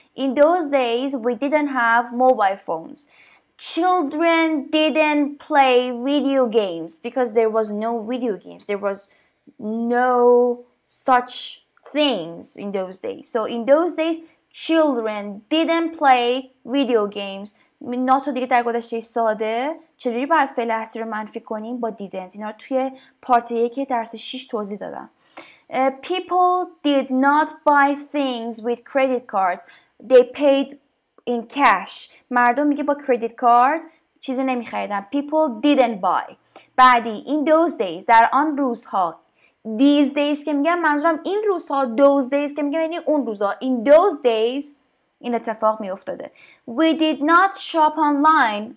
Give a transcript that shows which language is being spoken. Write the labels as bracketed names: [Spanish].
[English] In those days we didn't have mobile phones. Children didn't play video games because there was no video games. There was no such things in those days. So in those days, children didn't play video games. Not so [Persian] دیگه در گذشته ساده. چجوری باید فعل اصلی رو منفی کنیم با didn't؟ اینا توی پارت 1 درس 6 توضیح دادم. [English] People did not buy things with credit cards. They paid in cash. [Persian] مردم میگه با credit card چیزی نمیخریدن. [English] People didn't buy. [Persian] بعدی [English] in those days [Persian] در آن روزها. [English] These days [Persian] که میگم منظورم این روزها. [English] Those days [Persian] که میگم یعنی اون روزها. [English] In those days [Persian] این اتفاق میافتاده. [English] We did not shop online.